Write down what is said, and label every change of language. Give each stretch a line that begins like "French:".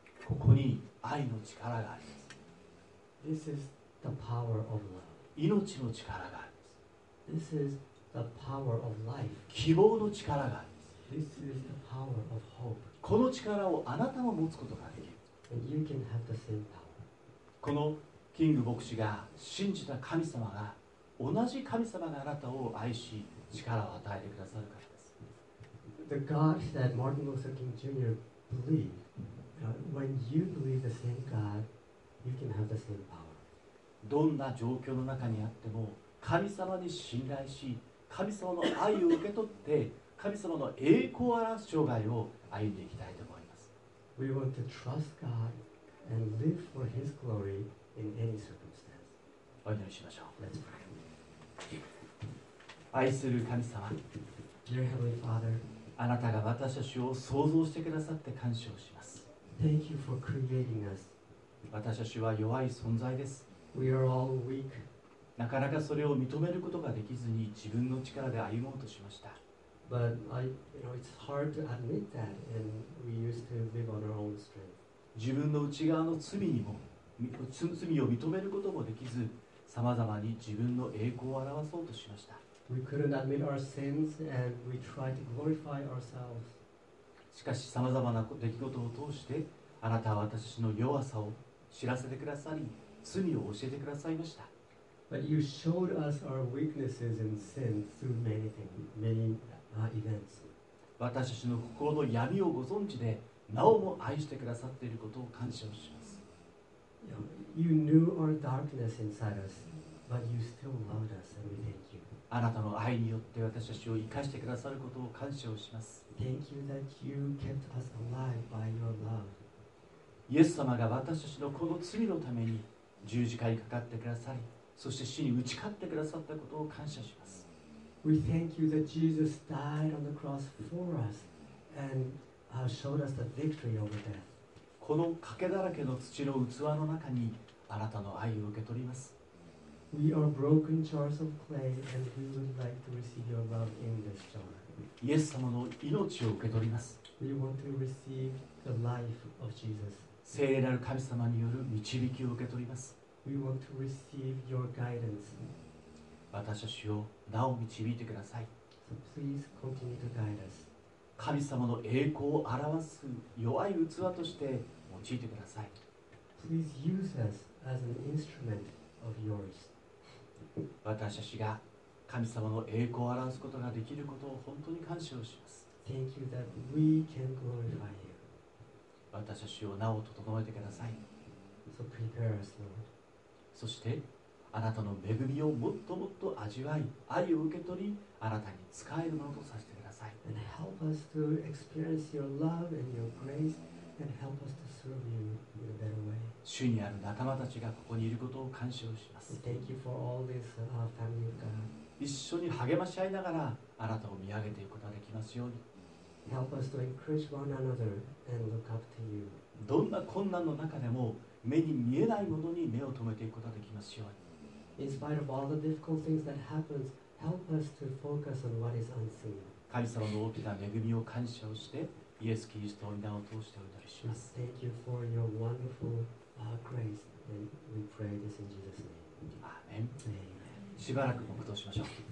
Japanese: ここに愛の力があります。
English: This is the power of love.
Japanese: 命の力があります。
English: This is the power of life.
Japanese: 希望の力があります。
English: This is the power of hope.
Japanese: この力をあなたも持つことができる。
English: And you can have the same power.
Japanese: このキング牧師が信じた神様が同じ神様があなたを愛し力を与えてくださるからです。
English: The God that Martin Luther King Jr. believed, when you believe the same God, you can have the same power.
Japanese: どんな状況の中にあっても神様に信頼し神様の愛を受け取って神様の栄光を表す生涯を歩んでいきたいと思います。
English: We want to trust God and live for His glory in any circumstance.
Japanese: お祈りしましょう。
English: Let's pray.
Japanese: 愛する神様、
English: Dear Heavenly Father,
Japanese: あなたが私たちを創造してくださって感謝をします。
English: Thank you for creating us.
Japanese: 私たちは弱い存在です。
English: We are all weak.
Japanese: なかなかそれを認めることができずに自分の力で歩もうとしました。
English: But I, you know, it's hard to admit that, and we used to live on our own strength.
Japanese: 自分の内側の罪にも、罪を認めることもできず、さまざまに自分の栄光を表そうとしました。
English: We couldn't admit our sins, and we tried to glorify ourselves.
Japanese: しかし、さまざまな出来事を通して、あなたは私の弱さを知らせてくださり、罪を教えてくださいました。
English: But you showed us our weaknesses and sins through many things, many. Events.
Japanese: 私たちの心の闇をご存知でなおも愛してくださっていることを感謝します。
English: You knew our darkness inside us, but you still loved us, and we thank you.
Japanese: あなたの愛によって私たちを生かしてくださることを感謝します。
English: Thank you that you kept us alive by your love.
Japanese: イエス様が私たちのこの罪のために十字架にかかってくださり、そして死に打ち勝ってくださったことを感謝します。
English: We thank you that Jesus died on the cross for us and showed us the victory over death.
Japanese: このかけだらけの土の器の中にあなたの愛を受け取ります。
English: We are broken jars of clay and we would like to receive your love in this jar.
Japanese: イエス様の命を受け取ります。
English: We want to receive the life of Jesus.
Japanese: 聖霊なる神様による導きを受け取ります。
English: We want to receive your guidance.
Japanese: 私たちをなお導いてください。
English: So、please continue to guide us.
Japanese: 神様の栄光を表す弱い器として用いてください。
English: Please use us as an instrument of yours.
Japanese: 私たちが神様の栄光を表すことができることを本当に感謝をします。
English: Thank you that we can glorify you.
Japanese: 私たちをなお整えてください。
English: So、prepare us, Lord.
Japanese: そしてあなたの恵みをもっともっと味わい、愛を受け取り、あなたに使えるものとさせてください。
English: And help us to experience your love and your grace, and help us to serve you in a better way.
Japanese: 主にある仲間たちがここにいることを感謝をします。
English: Thank you for all this, family of God.
Japanese: 一緒に励まし合いながら、あなたを見上げていくことができますように。
English: Help us to encourage one another and look up to you.
Japanese: どんな困難の中でも、目に見えないものに目を留めていくことができますように。
English: In spite of all the difficult things that happen, help us to focus on what is unseen.
Japanese: 神様の大きな恵みを感謝をしてイエス・キリストの名を通してお祈りします。
English: Thank you for your wonderful grace. And we pray this in Jesus' name.
Japanese: Amen. しばらく黙祷しましょう。